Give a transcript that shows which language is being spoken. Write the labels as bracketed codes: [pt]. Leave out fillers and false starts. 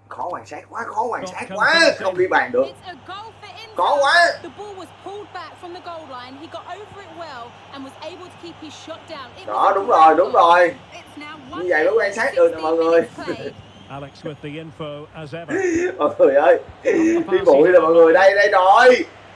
[vi] quan sát quá, khó quan sát quá, không ghi bàn được. Có quá. [en] The ball was pulled back from the goal line. He got over it well and was able to keep his shot down. [vi] Đó, đúng rồi, đúng rồi. Như vậy mới quan sát được nè mọi người. [en] Alex with the info as ever. [vi] Mọi người ơi. Đi bụi rồi mọi người, đây đây rồi.